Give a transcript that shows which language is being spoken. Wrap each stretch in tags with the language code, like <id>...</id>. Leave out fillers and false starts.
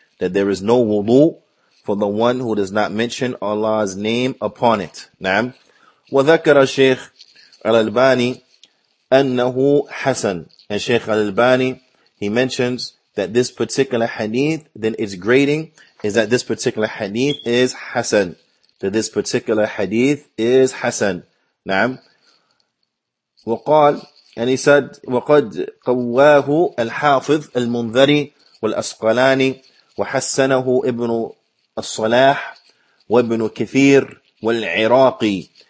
<en>That there is no wudu for the one who does not mention Allah's name upon it.</en> <ar>نعم. وذكر الشيخ الألباني أنه حسن.</ar> <en>And Sheikh Al-Albani, he mentions that this particular hadith, then its grading is that this particular hadith is Hasan. That this particular hadith is Hasan. نعم.</en> <ar>وقال,</ar> <en>and he said,</en> <ar>وَقَدْ قَوَّاهُ الْحَافِظُ الْمُنْذَرِ وَالْأَسْقَلَانِ وَحَسَّنَهُ إِبْنُ الصَّلَاحِ وَإِبْنُ كِثِيرٍ وَالْعِرَاقِ.</ar>